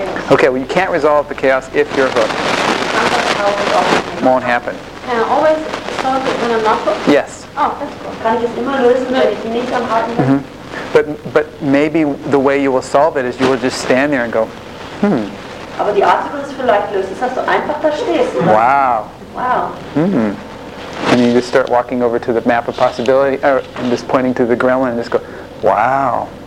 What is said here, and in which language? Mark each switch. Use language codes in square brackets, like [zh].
[en] Okay, well you can't resolve the chaos if you're hooked. Won't happen. Can I always solve it when I'm not hooked? Yes. Oh, that's cool. Mm-hmm. But maybe the way you will solve it is you will just stand there and go, [de] Aber die Art, wie du es vielleicht löst, ist, dass du einfach da stehst. Oder? [en] Wow. Wow. Mm-hmm. And you just start walking over to the map of possibility, or and just pointing to the gremlin and just go, wow.